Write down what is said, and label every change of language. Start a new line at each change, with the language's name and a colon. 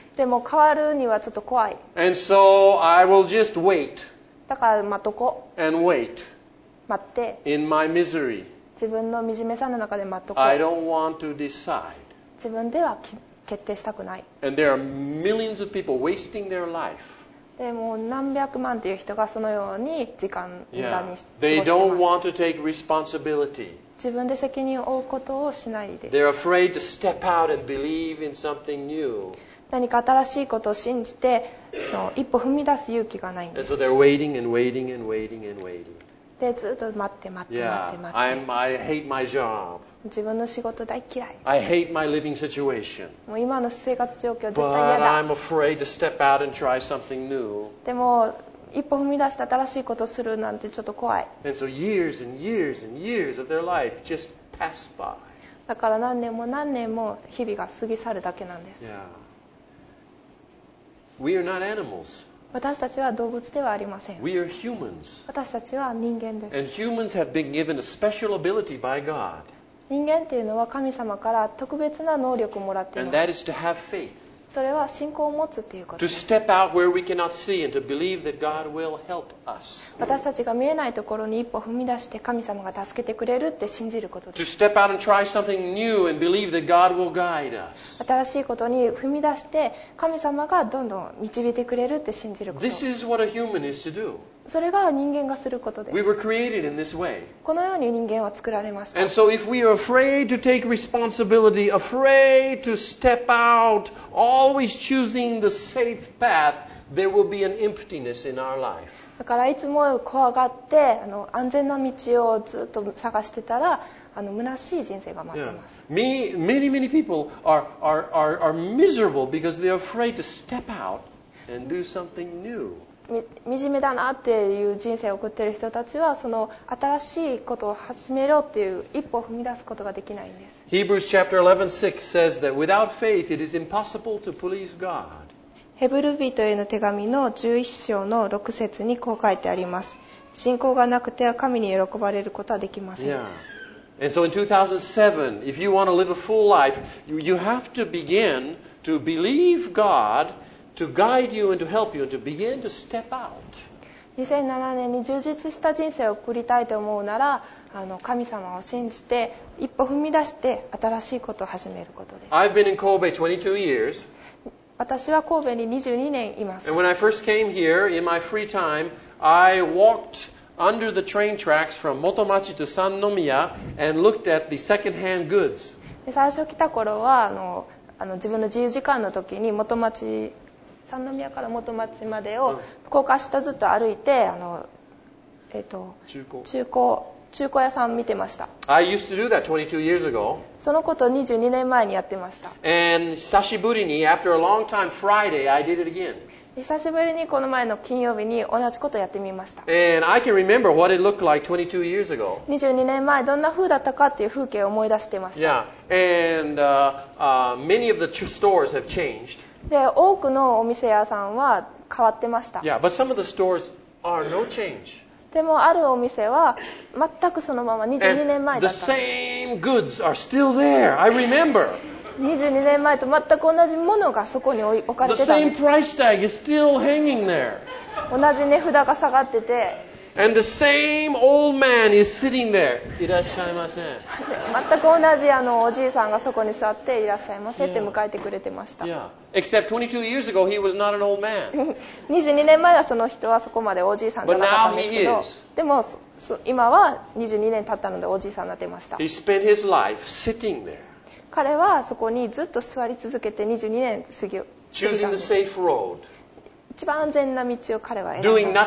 Japanese: でも変わるにはちょっと怖い。
English: And so I will just wait.
Japanese: だから待っとこ。
English: And wait.
Japanese: 待って。
English: In my misery.
Japanese: 自分の惨めさの中で待っとこ。
English: I don't want to decide.
Japanese: 自分では決定したくない。
English: And there are millions of people wasting their life.
Japanese: でも何百万という人がそのように時間無駄に過ごしてます。
English: Yeah. They don't want to take responsibility.
Japanese: 自分で責任を負うことをしないで。
English: They're afraid to step out and believe in something new.
Japanese: 何か新しいことを信じて、一歩踏み出す勇気がないんです。
English: And so they're waiting and waiting and waiting and waiting.
Japanese: で、ずっと待って待って待って待って。
English: I hate my job.
Japanese: 自分の仕事大嫌い。
English: I hate my living situation.
Japanese: もう今の生活状況絶対嫌だ。
English: But I'm afraid to step out and try something new.
Japanese: でも一歩踏み出して新しいことをするなんてちょっと怖い。
English: And so years and years and years of their life just pass by.
Japanese: だから何年も何年も日々が過ぎ去るだけなんです。
English: Yeah. We are not animals.
Japanese: 私たちは動物ではありません。
English: We are humans.
Japanese: 私たちは人間です。
English: And humans have been given a special ability by God.
Japanese: 人間というのは神様から特別な能力をもらっています。
English: And that is to have faith.
Japanese: それは信仰を持つということです。
English: To step out where we cannot see and to believe that God will help us.
Japanese: 私たちが見えないところに一歩踏み出して神様が助けてくれるって信じることです。
English: To step out and try something new and believe that God will guide us.
Japanese: 新しいことに踏み出して神様がどんどん導いてくれるって信じること。
English: This is what a human is to do.
Japanese: それが人間がすることです。
English: We were created in this way.
Japanese: このように人間は作られました。
English: And so if we are afraid to take responsibility, afraid to step out, always choosing the safe path, there will be an emptiness in our life.
Japanese: だからいつも怖がって安全な道をずっと探してたら虚しい人生が待ってます。
English: Yeah. Many, many people are miserable because they're afraid to step out and do something new.
Japanese: みじめだなっていう人生を送ってる人たちは新しいことを始めろっていう一歩を踏み出すことができないんです。
English: Hebrews chapter 11:6 says that without faith it is impossible to please God.
Japanese: ヘブル人への手紙の11章の6節にこう書いてあります。信仰がなくては神に喜ばれることはできません。
English: Yeah. And so in 2007, if you want to live a full life, you have to begin to believe God to guide you and to help you and to begin to step out.
Japanese: 2007年に充実した人生を送りたいと思うなら神様を信じて一歩踏み出して新しいことを始めることです。
English: I've been in Kobe 22 years.
Japanese: 私は神戸に22年います。
English: And when I first came here in my free time, I walked under the train tracks from Motomachi to Sannomiya and looked at the second-hand goods.
Japanese: 最初来た頃は自分の自由時間の時に三宮から元町までを高架下ずっと歩いて中古屋さん見てました。
English: I used to do that 22 years ago.
Japanese: そのことを22年前にやってました。
English: And
Japanese: 久しぶりに
English: after a long time Friday I did it again.
Japanese: 久しぶりにこの前の金曜日に同じことをやってみました。
English: And I can remember what it looked like 22 years ago.
Japanese: 22年前どんな風だったかっていう風景を思い出してました。
English: Yeah. And many of the stores have changed.
Japanese: で多くのお店屋さんは変わってました。
English: Yeah, but some of the stores are no change
Japanese: でもあるお店は全くそのまま22年前だったんです。
English: The same goods are still there. I remember.
Japanese: 22年前と全く同じものがそこに置かれてたんです。
English: The same price tag is still hanging there.
Japanese: 同じ値札が下がってて。
English: And the same old man is sitting there.
Japanese: いらっしゃいませ。全く同じおじいさんがそこに座っていらっしゃいませって迎えてくれてました。
English: Yeah. Except 22 years ago, he was not an old man.
Japanese: 22年前はその人はそこまでおじいさんじゃなかったんですけど、でも今は22年経ったのでおじいさんになってました。
English: He spent his life sitting there.
Japanese: 彼はそこにずっと座り続けて22年過ぎたんです。
English: Choosing the safe road.
Japanese: 一番安全な道を彼は選んだ。